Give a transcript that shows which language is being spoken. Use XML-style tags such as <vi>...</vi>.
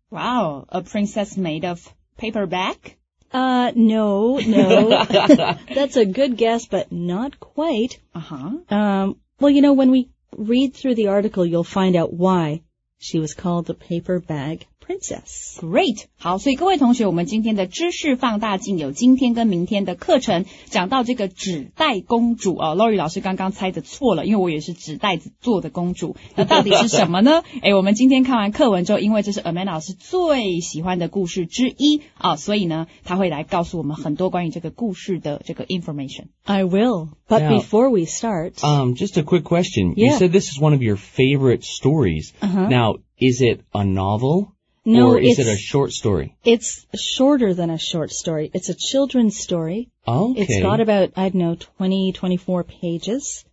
<en>Wow, a princess made of paper bag? No. That's a good guess, but not quite. Uh-huh. Well, you know, when we read through the article, you'll find out why she was called the Paper Bag Princess. Great.</en> <zh>好，所以各位同学，我们今天的知识放大镜有今天跟明天的课程，讲到这个纸袋公主啊。 Lori 老师刚刚猜的错了，因为我也是纸袋子做的公主。那到底是什么呢？哎，我们今天看完课文之后，因为这是 Amanda 老师最喜欢的故事之一啊，所以呢，他会来告诉我们很多关于这个故事的这个 information.</zh> <en>I will. But now, before we start, Just a quick question. Yeah. You said this is one of your favorite stories. Uh-huh. Now, is it a novel? No, or is it a short story? It's shorter than a short story. It's a children's story. Okay. It's got about, I don't know, 20, 24 pages.</en>